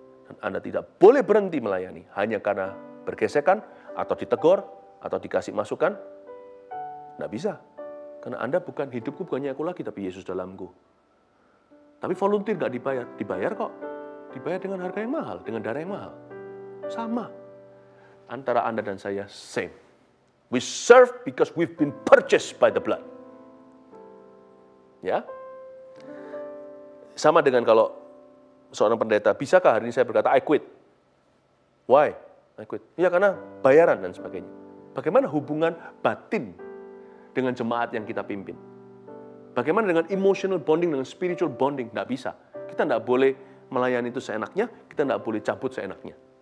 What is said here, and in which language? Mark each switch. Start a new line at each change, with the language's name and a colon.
Indonesian: Dan Anda tidak boleh berhenti melayani, hanya karena bergesekan, atau ditegur, atau dikasih masukan. Gak bisa, karena Anda bukan, hidupku bukannya aku lagi, tapi Yesus dalamku. Tapi volunteer gak dibayar, dibayar kok. Dibayar dengan harga yang mahal, dengan darah yang mahal. Sama. Antara Anda dan saya, same.
English: We serve because we've been purchased by the blood.
Indonesian: Ya? Sama dengan kalau seorang pendeta, bisakah hari ini saya berkata,
English: I quit. Why? I quit.
Indonesian: Ya karena bayaran dan sebagainya. Bagaimana hubungan batin dengan jemaat yang kita pimpin? Bagaimana dengan emotional bonding, dengan spiritual bonding? Nggak bisa. Kita nggak boleh melayani itu seenaknya, kita tidak boleh cabut seenaknya.